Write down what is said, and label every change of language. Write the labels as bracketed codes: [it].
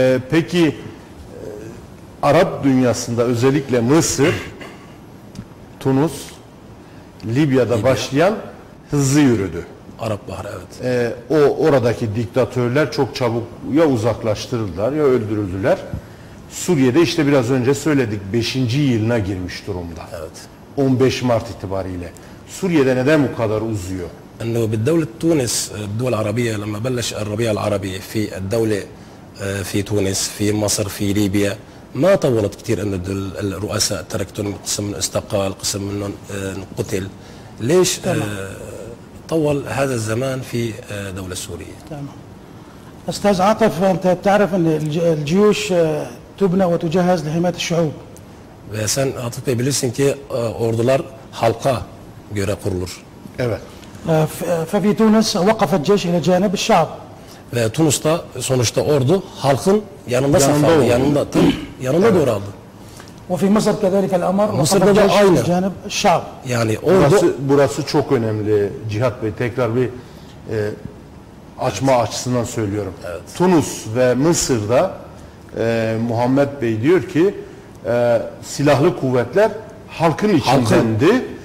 [tr] Peki Arap dünyasında özellikle Mısır, Tunus, Libya'da başlayan hızlı yürüdü. Arap Baharı evet. O oradaki diktatörler çok çabuk ya uzaklaştırıldılar ya öldürüldüler. Suriye'de işte biraz önce söyledik 5. yılına girmiş durumda. Evet. 15 Mart itibariyle. Suriye'de neden bu kadar uzuyor? [ar] انه بالدولة تونس بالدول العربية لما بلش الربيع العربي في الدولة في تونس في مصر في ليبيا ما طولت كثير انه الرؤساء تركتهم قسم من استقال قسم منهم قتل ليش طول هذا الزمان في دولة سورية تمام استاذ عاطف انت بتعرف ان الجيوش تبنى وتجهز لحماية الشعوب [tr] سن عاطف بيبلسن كي اوردولار حلقة göre kurulur. Evet. [ar] ففي تونس وقفت جيش الى جانب الشعب. [tr] Ve Tunus'ta sonuçta ordu halkın yanında safhada yanında doğru aldı. [ar] وفي مصر كذلك الامر وقفت جيش الى جانب الشعب. [tr] Yani ordu burası çok önemli Cihat Bey tekrar bir açma evet. açısından söylüyorum. Evet. Tunus ve Mısır'da Muhammed Bey diyor ki silahlı kuvvetler halkın içindendi.